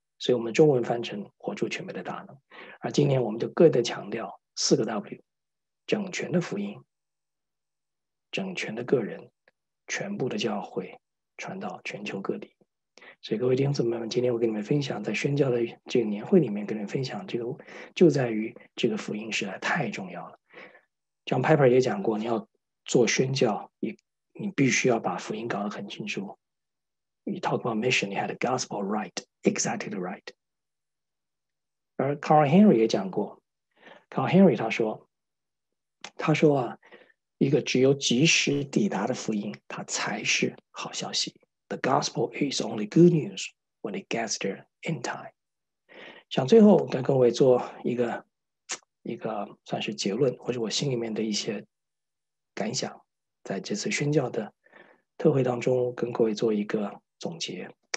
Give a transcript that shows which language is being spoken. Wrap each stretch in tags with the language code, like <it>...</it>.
<zh>所以，我们中文翻成"活出全辈的大能"，而今年我们就各自强调4个 W：整全的福音、整全的个人、全部的教会，传到全球各地。所以，各位弟兄姊妹们，今天我跟你们分享，在宣教的这个年会里面跟你们分享，这个就在于这个福音实在太重要了。 John Piper 也讲过，你要做宣教，你必须要把福音搞得很清楚。</zh> <en>You talk about mission, you had a gospel right, exactly right.</en> <zh>而 Carl Henry 也讲过，Carl Henry 他说，一个只有及时抵达的福音，它才是好消息。</zh> <en>The gospel is only good news when it gets there in time。</en> <zh>想最后再跟各位做一个算是结论，或者我心里面的一些感想，在这次宣教的特会当中跟各位做一个总结。</zh>